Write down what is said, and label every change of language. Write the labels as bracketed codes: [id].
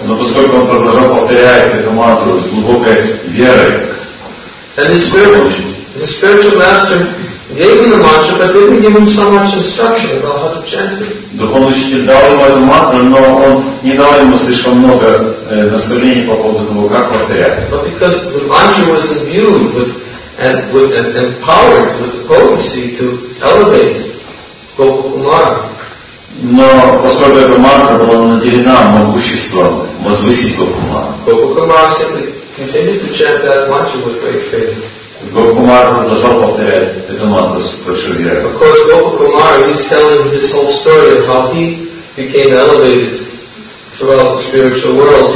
[ru] Но поскольку он продолжал повторять эту мантру с глубокой верой, [en] his spiritual master gave him the mantra, but didn't give him so much instruction about how to chant it. [ru] Духовный учитель дал ему эту мантру, но он не дал ему слишком много наставлений по поводу того, как повторять. [en] But because the mantra was imbued with and empowered with the potency to elevate Gopakumara. [ru] Но поскольку эта мантра была наделена могуществом возвысить Гопакумара. [en] Gopakumara simply continued to chant that mantra with great faith. [ru] Гопакумара продолжал повторять эту мантру с большой верой. [en] Of course, Gopakumara is telling this whole story of how he became elevated throughout the spiritual world.